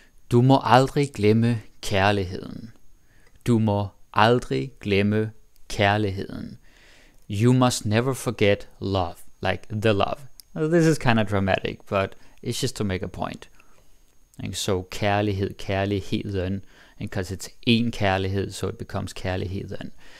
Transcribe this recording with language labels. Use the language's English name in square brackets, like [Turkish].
[Danish] Du må aldrig glemme kærligheden. Du må aldrig glemme kærligheden. [English] You must never forget love. Like, the love. This is kind of dramatic, but it's just to make a point. And so, kærlighed, kærligheden, because it's en kærlighed, so it becomes kærligheden.